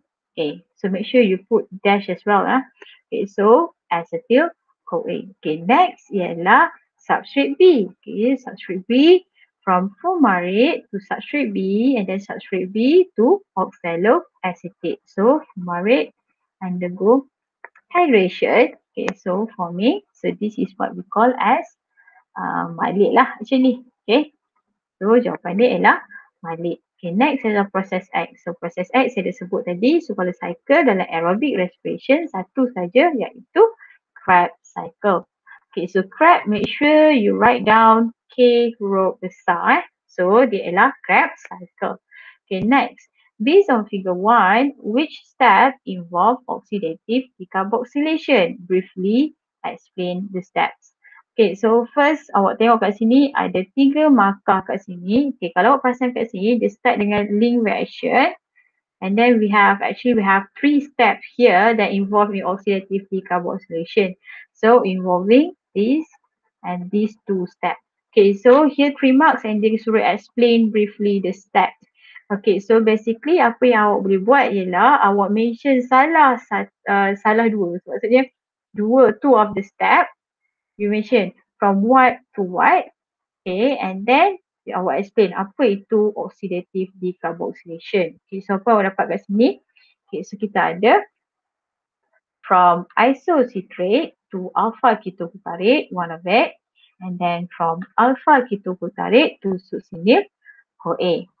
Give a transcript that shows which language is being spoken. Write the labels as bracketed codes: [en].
[en] Okay, so make sure you put dash as well. Okay, so acetyl-CoA. Okay, next ialah substrate B. Okay, substrate B from fumarate to substrate B and then substrate B to oxaloacetate. So fumarate undergo hydration. Okay, so for me, so this is what we call as malate lah actually. [ms] Okay, so jawapan dia ialah malate. Okay, next adalah proses X. So proses X saya dah sebut tadi. So kalau cycle dalam aerobic respiration satu saja iaitu Krebs cycle. [en] Okay, so Krebs, make sure you write down K [ms] huruf besar. So dia ialah Krebs cycle. [en] Okay, next. Based on figure 1, which step involve oxidative decarboxylation? Briefly explain the steps. [ms] Okay, so first awak tengok kat sini ada tiga markah kat sini. [en] Okay, [ms] kalau awak perasan kat sini, dia start dengan [en] link reaction. And then we have, actually we have three steps here that involve in oxidative decarboxylation. So involving this and these two steps. Okay, so here three marks and [ms] dia suruh [en] explain briefly the step. [ms] Okay, so basically apa yang awak boleh buat ialah awak mention salah salah dua. [en] So, [ms] maksudnya dua, [en] two of the step. You mention from what to what, okay, and then [ms] awak explain apa itu [en] oxidative decarboxylation. Okay, so [ms] apa awak dapat kat sini? [en] Okay, so kita ada from isocitrate to alpha ketoglutarate, one of it, and then from alpha ketoglutarate to succinyl CoA.